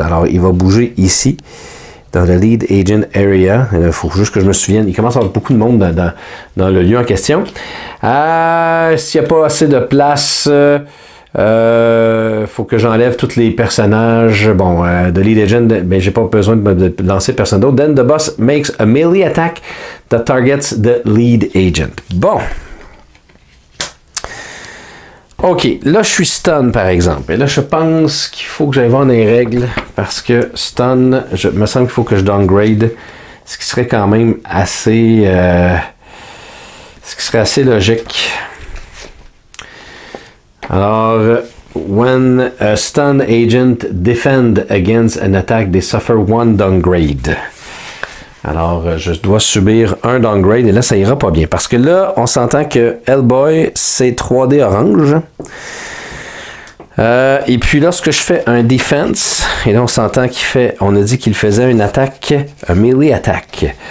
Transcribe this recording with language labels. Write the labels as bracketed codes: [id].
[fr] Alors, il va bouger ici. Dans le Lead Agent Area. Il faut juste que je me souvienne. Il commence à avoir beaucoup de monde dans le lieu en question. S'il n'y a pas assez de place, faut que j'enlève tous les personnages. Bon, de Lead Agent, ben, j'ai pas besoin de lancer personne d'autre. [en] Then the boss makes a melee attack that targets the Lead Agent. [fr] Bon. OK. Là, je suis stun, par exemple. Et là, je pense qu'il faut que j'aille voir les règles parce que stun, je me semble qu'il faut que je downgrade, ce qui serait quand même assez... ce qui serait assez logique. [en] Alors, when a stun agent defend against an attack, they suffer one downgrade. [fr] Alors, je dois subir un downgrade et là, ça ira pas bien. Parce que là, on s'entend que Hellboy, c'est 3D orange. Et puis lorsque je fais un defense, et là, on s'entend qu'il fait, on a dit qu'il faisait une attaque, un melee attack.